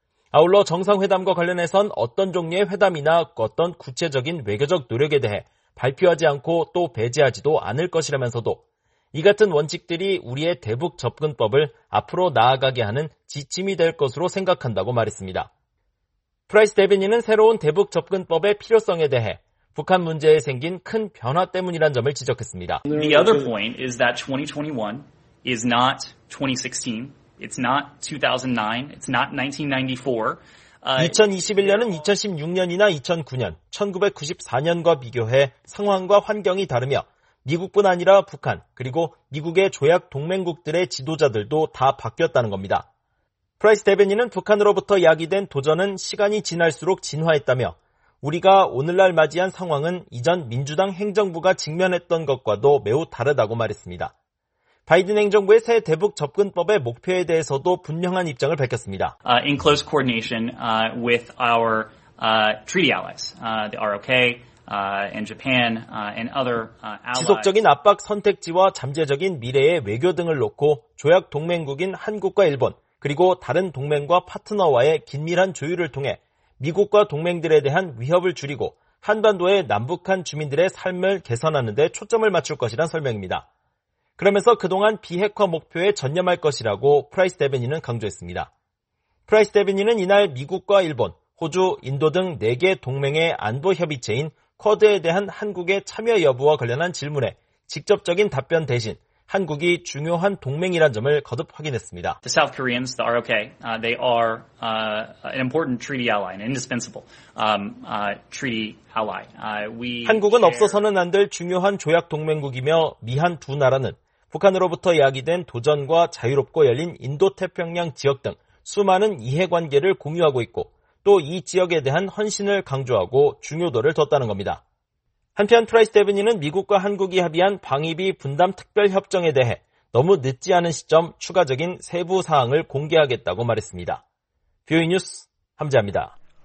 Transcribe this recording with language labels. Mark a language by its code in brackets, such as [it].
[ko] 아울러 정상회담과 관련해선 어떤 종류의 회담이나 어떤 구체적인 외교적 노력에 대해 발표하지 않고 또 배제하지도 않을 것이라면서도 이 같은 원칙들이 우리의 대북 접근법을 앞으로 나아가게 하는 지침이 될 것으로 생각한다고 말했습니다. 프라이스 대변인은 새로운 대북 접근법의 필요성에 대해 북한 문제에 생긴 큰 변화 때문이란 점을 지적했습니다. [en] The other point is that 2021 is not 2016, it's not 2009, it's not 1994. [ko] 2021년은 2016년이나 2009년, 1994년과 비교해 상황과 환경이 다르며 미국뿐 아니라 북한, 그리고 미국의 조약 동맹국들의 지도자들도 다 바뀌었다는 겁니다. 프라이스 대변인은 북한으로부터 야기된 도전은 시간이 지날수록 진화했다며 우리가 오늘날 맞이한 상황은 이전 민주당 행정부가 직면했던 것과도 매우 다르다고 말했습니다. 바이든 행정부의 새 대북 접근법의 목표에 대해서도 분명한 입장을 밝혔습니다. [en] In close coordination with our treaty allies, the ROK and Japan and other allies. [ko] 지속적인 압박 선택지와 잠재적인 미래의 외교 등을 놓고 조약 동맹국인 한국과 일본, 그리고 다른 동맹과 파트너와의 긴밀한 조율을 통해 미국과 동맹들에 대한 위협을 줄이고 한반도의 남북한 주민들의 삶을 개선하는 데 초점을 맞출 것이란 설명입니다. 그러면서 그동안 비핵화 목표에 전념할 것이라고 프라이스 대변인은 강조했습니다. 프라이스 대변인은 이날 미국과 일본, 호주, 인도 등 4개 동맹의 안보 협의체인 쿼드에 대한 한국의 참여 여부와 관련한 질문에 직접적인 답변 대신 한국이 중요한 동맹이란 점을 거듭 확인했습니다. [en] The South Koreans, the ROK, they are an important treaty ally, an indispensable treaty ally. [ko] 한국은 없어서는 안 될 중요한 조약 동맹국이며 미한 두 나라는 북한으로부터 야기된 도전과 자유롭고 열린 인도태평양 지역 등 수많은 이해관계를 공유하고 있고 또 이 지역에 대한 헌신을 강조하고 중요도를 뒀다는 겁니다. 한편 프라이스 대변인은 미국과 한국이 합의한 방위비 분담 특별협정에 대해 너무 늦지 않은 시점 추가적인 세부사항을 공개하겠다고 말했습니다. 뷰이 뉴스 함재합니다.